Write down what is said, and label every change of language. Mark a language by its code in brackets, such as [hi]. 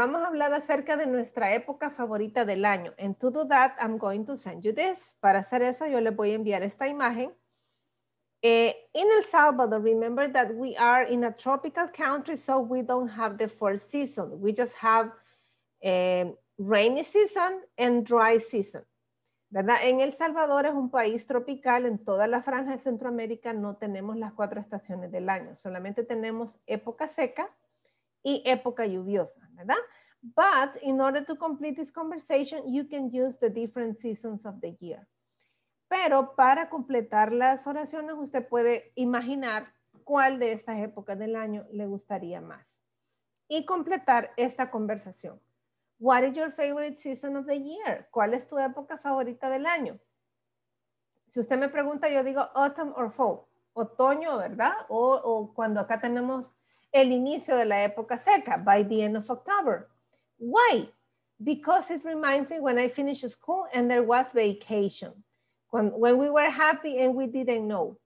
[es] Vamos a hablar acerca de nuestra época favorita del año. [en] And to do that, I'm going to send you this. [es] Para hacer eso, yo les voy a enviar esta imagen. [en] In El Salvador, remember that we are in a tropical country, so we don't have the four seasons. We just have rainy season and dry season, ¿verdad? [es] En El Salvador es un país tropical, en toda la franja de Centroamérica no tenemos las cuatro estaciones del año, solamente tenemos época seca y época lluviosa, ¿verdad? [en] But in order to complete this conversation, you can use the different seasons of the year. [es] Pero para completar las oraciones, usted puede imaginar cuál de estas épocas del año le gustaría más y completar esta conversación. [en] What is your favorite season of the year? [es] ¿Cuál es tu época favorita del año? Si usted me pregunta, yo digo autumn or fall. Otoño, ¿verdad? O cuando acá tenemos el inicio de la época seca, [en] by the end of October. Why? Because it reminds me when I finished school and there was vacation. When we were happy and we didn't know.